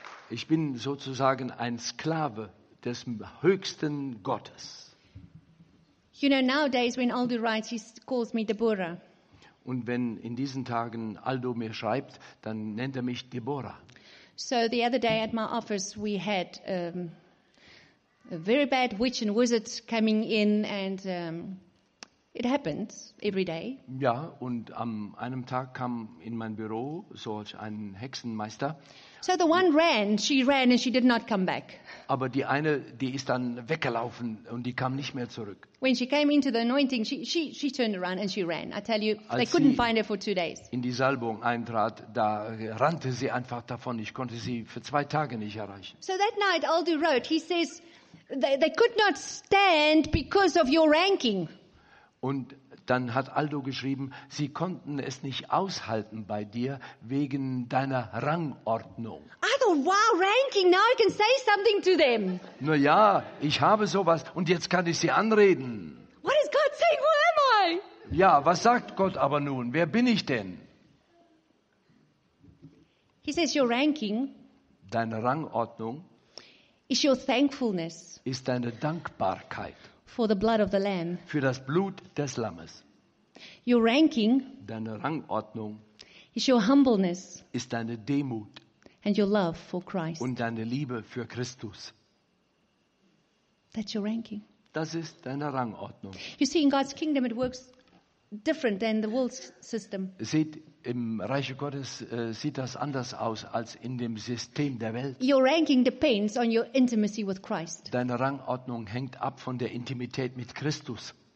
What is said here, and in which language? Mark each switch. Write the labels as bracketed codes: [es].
[de] Ich bin sozusagen ein Sklave des höchsten Gottes. [en] You know, nowadays when Aldo writes, he calls me Deborah. [de] Und wenn in diesen Tagen Aldo mir schreibt, dann nennt er mich Deborah. [en] So the other day at my office we had a very bad witch and wizard coming in and it happens every day. [de] Ja, und an einem Tag kam in mein Büro solch ein Hexenmeister. [en] So the one ran, she ran and she did not come back. [de] Aber die eine, die ist dann weggelaufen und die kam nicht mehr zurück. [en] When she came into the anointing, she turned around and she ran. I tell you, [de] Als [en] they couldn't find her for 2 days. [de] In die Salbung eintrat, da rannte sie einfach davon. Ich konnte sie für 2 Tage nicht erreichen. [en] So that night Aldo wrote, he says, they could not stand because of your ranking. [de] Und dann hat Aldo geschrieben, sie konnten es nicht aushalten bei dir wegen deiner Rangordnung. [en] I thought, wow, ranking, now I can say something to them. [de] Na ja, ich habe sowas und jetzt kann ich sie anreden. [en] What is God saying? Who am I? [de] Ja, was sagt Gott aber nun? Wer bin ich denn? [en] He says your ranking. [de] Deine Rangordnung. [en] Is your thankfulness. [de] Ist deine Dankbarkeit. [en] For the blood of the lamb. [de] Für das Blut des Lammes. [en] Your ranking. [de] Deine Rangordnung. [en] Is your humbleness. [de] Ist deine Demut. [en] And your love for Christ. [de] Und deine Liebe für Christus. [en] That's your ranking. [de] Das ist deine Rangordnung. [en] You see, in God's kingdom it works different than the world's system. [de] Seht, im Reich Gottes sieht das anders aus als in dem System der Welt. [en] Your ranking depends on your intimacy with Christ. [de] Deine Rangordnung hängt ab von der Intimität mit Christus.